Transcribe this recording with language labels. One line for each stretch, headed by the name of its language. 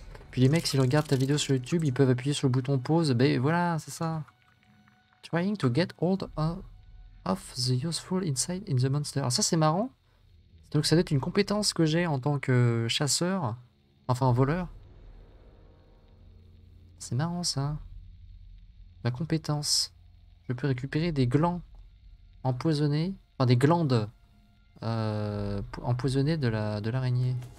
French: Puis les mecs, s'ils regardent ta vidéo sur YouTube, ils peuvent appuyer sur le bouton pause. Ben voilà, c'est ça!
English: Trying to get hold of the useful insight in the monster.
French: Alors ça, c'est marrant. Donc ça doit être une compétence que j'ai en tant que chasseur. Enfin, voleur. C'est marrant ça. Ma compétence. Je peux récupérer des glands empoisonnés. Enfin, des glandes empoisonnées de l'araignée.